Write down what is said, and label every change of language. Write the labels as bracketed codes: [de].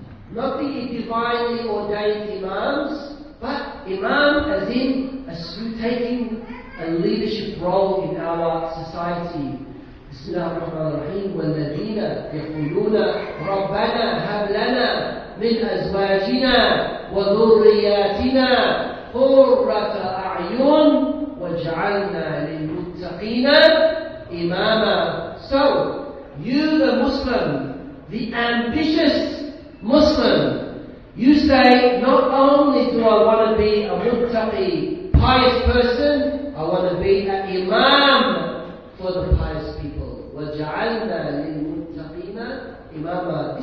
[en] Not the divinely ordained imams, but imam as in taking a leadership role in our society. [ar] بسم الله الرحمن الرحيم والذين يقولون ربنا هب لنا من أزواجنا وذرياتنا قرة أعين واجعلنا للمتقين إماما. [en] So you the Muslim, the ambitious Muslim, you say not only do I want to be a muttaqi, pious person, I want to be an imam for the pious people. [ar] وَجَعَلْنَا لِلْمُتَّقِينَ إِمَامًا.